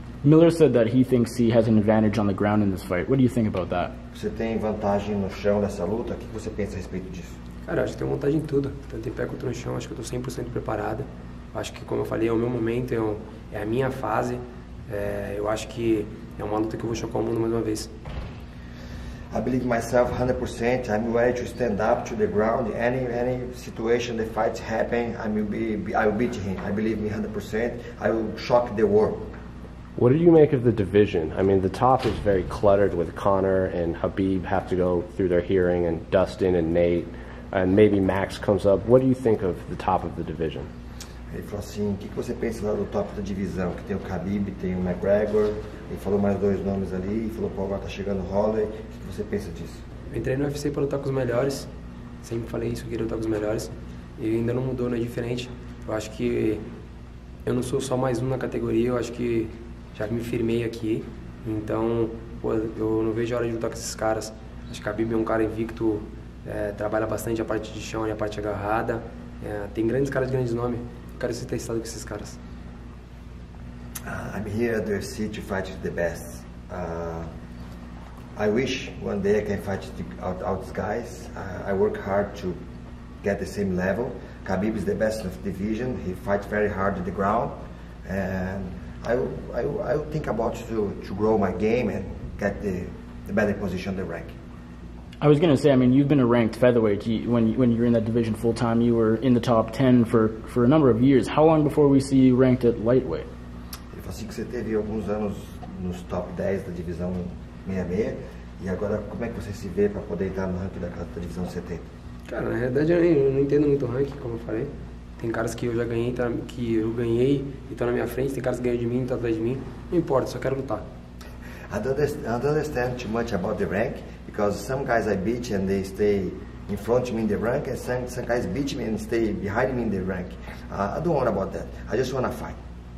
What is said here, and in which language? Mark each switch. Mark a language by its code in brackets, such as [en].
[en] Miller said that he thinks he has an advantage on the ground in this fight. What do you think about that? [pt] Você tem vantagem no chão nessa luta? O que você pensa a respeito disso? Cara, acho que tenho vantagem em tudo. Tanto em pé quanto no chão, acho que eu tô 100% preparado. Acho que, como eu falei, é o meu momento, é a minha fase. Eu acho que é uma luta que eu vou chocar o mundo mais uma vez. [en] I believe myself 100%. I'm ready to stand up to the ground. Any situation the fight happen, I will beat him. I believe me 100%. I will shock the world. What did you make of the division? I mean, the top is very cluttered with Conor and Habib have to go through their hearing, and Dustin and Nate, and maybe Max comes up. What do you think of the top of the division? [pt] Ele falou assim, o que você pensa lá do top da divisão? Que tem o Khabib, tem o McGregor, ele falou mais dois nomes ali, falou, pô, agora tá chegando o Holloway, o que você pensa disso? Eu entrei no UFC para lutar com os melhores, sempre falei isso, eu queria lutar com os melhores, e ainda não mudou, não é diferente. Eu acho que eu não sou só mais um na categoria, eu acho que já me firmei aqui, então, pô, eu não vejo a hora de lutar com esses caras. Acho que o Khabib é um cara invicto, trabalha bastante a parte de chão e a parte agarrada, tem grandes caras de grandes nomes. Quero ser testado com esses caras. [en] I'm here at the UFC to fight with the best. I wish one day I can fight all these guys. I work hard to get the same level. Khabib is the best of the division. He fights very hard on the ground. And I think about to grow my game and get the better position on the rank. I was going to say, I mean, you've been a ranked featherweight. When you're in that division full time, you were in the top 10 for a number of years. How long before we see you ranked at lightweight? [pt] Ele falou assim que você teve alguns anos nos top 10 da divisão 66, e agora como é que você se vê para poder entrar no ranking da divisão 70? Cara, na realidade eu não entendo muito o ranking, como eu falei. Tem caras que eu já ganhei, que eu ganhei e estão na minha frente, tem caras que ganham de mim e estão atrás de mim. Não importa, só quero lutar. [en] I don't understand too much about the rank, because some guys I beat and they stay in front of me in the rank, and some guys beat me and stay behind me in the rank. I don't worry about that. I just want to fight.